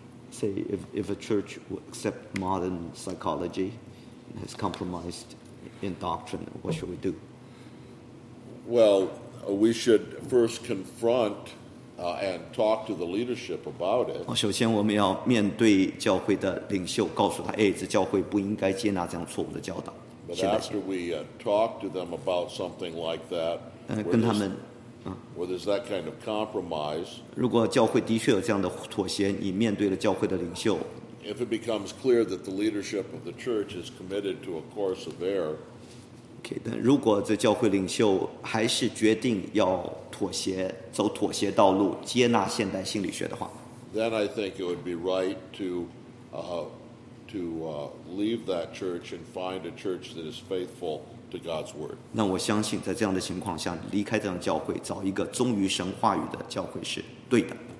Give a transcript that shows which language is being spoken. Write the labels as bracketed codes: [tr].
[en] Say if a church would accept modern psychology and has compromised in doctrine, what should we do? Well, we should first confront and talk to the leadership about it. [zh] 首先我们要面对教会的领袖，告诉他，哎，这教会不应该接纳这样错误的教导。 [en] But after we talk to them about something like that, [zh] 跟他们。 [en] Where there's that kind of compromise, [zh] 如果教会的确有这样的妥协，你面对了教会的领袖。 [en] If it becomes clear that the leadership of the church is committed to a course of error, [zh] okay, 但如果这教会领袖还是决定要妥协，走妥协道路，接纳现代心理学的话， [en] then I think it would be right to leave that church and find a church that is faithful. To God's word. [zh] 那我相信在这样的情况下离开这样的教会找一个忠于神话语的教会是对的。